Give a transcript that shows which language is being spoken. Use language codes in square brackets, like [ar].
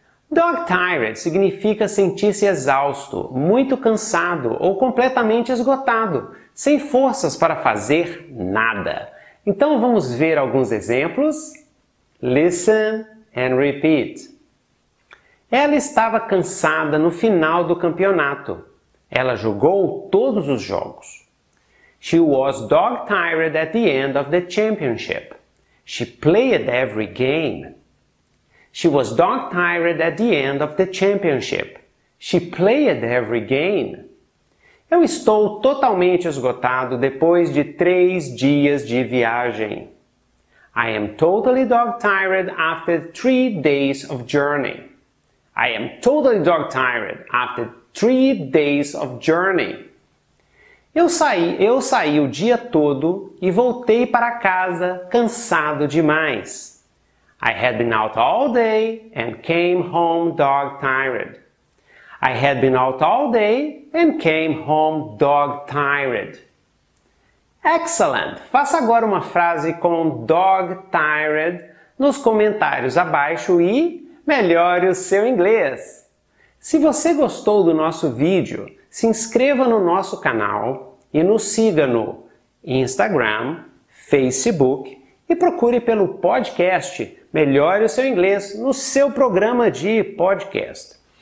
[pt] Dog tired significa sentir-se exausto, muito cansado ou completamente esgotado, sem forças para fazer nada. Então vamos ver alguns exemplos? [en] Listen and repeat. [pt] Ela estava cansada no final do campeonato. Ela jogou todos os jogos. [en] She was dog tired at the end of the championship. She played every game. She was dog tired at the end of the championship. She played every game. [pt] Eu estou totalmente esgotado depois de 3 dias de viagem. [en] I am totally dog tired after 3 days of journey. I am totally dog tired after 3 days of journey. [pt] Eu saí o dia todo e voltei para casa cansado demais. [en] I had been out all day and came home dog tired. I had been out all day and came home dog tired. Excellent! [pt] Faça agora uma frase com dog tired nos comentários abaixo e melhore o seu inglês. Se você gostou do nosso vídeo, se inscreva no nosso canal e nos siga no Instagram, Facebook e procure pelo podcast Melhore o Seu Inglês no seu programa de podcast.